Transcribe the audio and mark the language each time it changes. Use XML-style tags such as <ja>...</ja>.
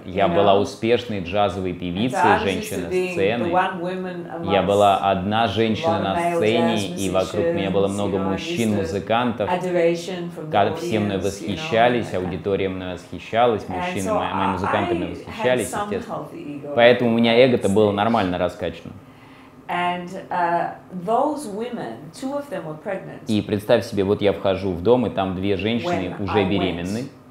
<ru>Я была успешной джазовой певицей, женщина сцены. Я была одна женщина на сцене, и вокруг меня было много мужчин-музыкантов. Все мной восхищались, аудитория мной восхищалась, мужчины мои музыканты мной восхищались, естественно. Поэтому у меня эго-то было нормально раскачано.</ru> <en>And those women, two of them were pregnant.</en> <ru>И представь себе, вот я вхожу в дом, и там две женщины уже беременны.</ru>